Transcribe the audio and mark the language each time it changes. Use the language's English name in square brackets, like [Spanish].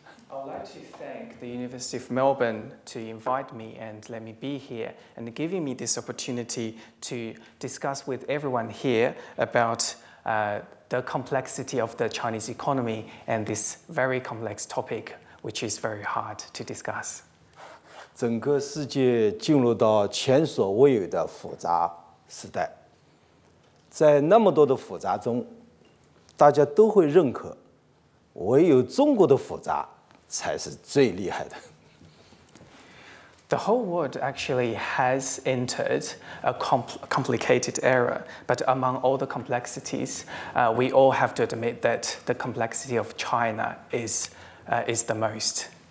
[English] I'd like to thank the University of Melbourne to invite me and let me be here and giving me this opportunity to discuss with everyone here about the complexity of the Chinese economy and this very complex topic, which is very hard to discuss. [Chinese] 整个世界进入到前所未有的复杂时代，在那么多的复杂中，大家都会认可，唯有中国的复杂才是最厉害的。 [English] The whole world actually has entered a complicated era, but among all the complexities, we all have to admit that the complexity of China is the most.